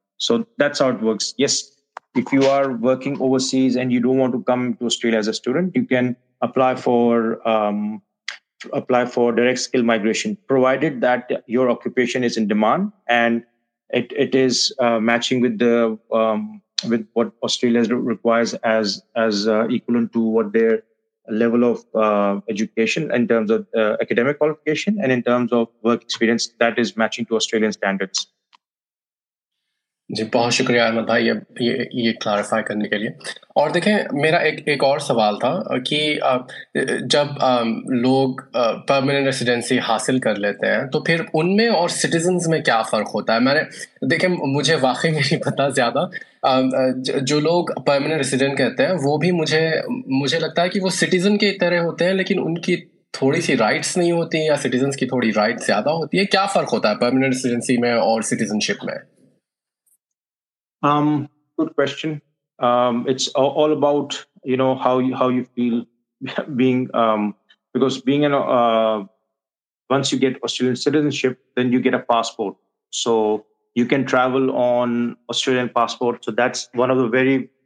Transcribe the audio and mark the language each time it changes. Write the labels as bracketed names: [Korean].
[English] So that's how it works. Yes, if you are working overseas and you don't want to come to Australia as a student, you can apply for direct skill migration, provided that your occupation is in demand and it is matching with the with what Australia requires as equivalent to what their level of education in terms of academic qualification and in terms of work experience that is matching to Australian standards. [Hindi] जी, बहुत शुक्रिया अहमद भाई ये clarify करने के लिए। और देखें, मेरा एक और सवाल था कि जब लोग परमानेंट रेसिडेंसी हासिल कर लेते हैं तो फिर उनमें और सिटीजन्स में क्या फ़र्क होता है? मैंने देखें, मुझे वाकई में नहीं पता ज़्यादा, जो लोग परमानेंट रेसिडेंट कहते हैं वो भी मुझे लगता है कि वो सिटीज़न के तरह होते हैं लेकिन उनकी थोड़ी सी राइट्स नहीं होती या सिटीजन्स की थोड़ी राइट्स ज़्यादा होती है। क्या फ़र्क होता है परमानेंट रेसिडेंसी में और सिटीजनशिप में? [English] Good question. It's all about, you know, how you feel being because being an once you get Australian citizenship, then you get a passport, so you can travel on Australian passport. So that's one of the very